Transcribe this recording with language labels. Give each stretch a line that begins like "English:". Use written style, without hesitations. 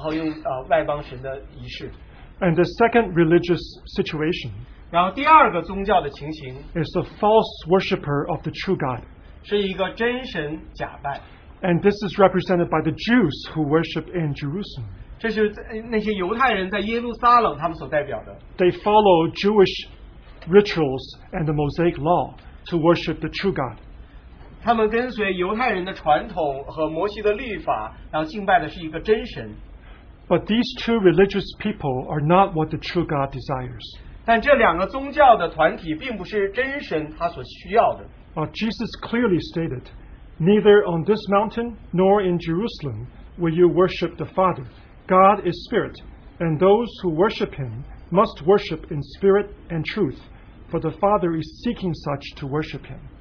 Chinese: 他们就是来敬拜这个外邦的假神，然后在基利心上面，山上面，然后用外邦神的仪式。
English: And the second religious situation
Chinese: 然后第二个宗教的情形,
English: is a false worshipper of the true God.
Chinese: 是一个真神假拜。
English: And this is represented by the Jews who worship in Jerusalem.
Chinese: 这是那些犹太人在耶路撒冷他们所代表的。
English: They follow Jewish rituals and the Mosaic law to worship the true God.
Chinese: 他们跟随犹太人的传统和摩西的律法，然后敬拜的是一个真神。
English: But these two religious people are not what the true God desires.
Chinese: 但这两个宗教的团体并不是真神他所需要的。
English: Jesus clearly stated, neither on this mountain nor in Jerusalem will you worship the Father. God is spirit, and those who worship him must worship in spirit and truth, for the Father is seeking such to worship him.